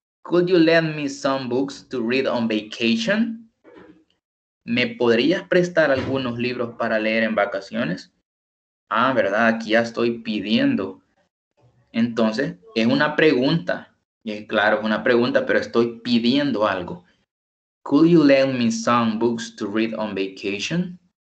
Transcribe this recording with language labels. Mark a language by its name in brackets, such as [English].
[English] Could you lend me some books to read on vacation? [Spanish] ¿Me podrías prestar algunos libros para leer en vacaciones? Ah, ¿verdad? Aquí ya estoy pidiendo. Entonces, es una pregunta. Y claro, es una pregunta, pero estoy pidiendo algo. [English] Could you lend me some books to read on vacation?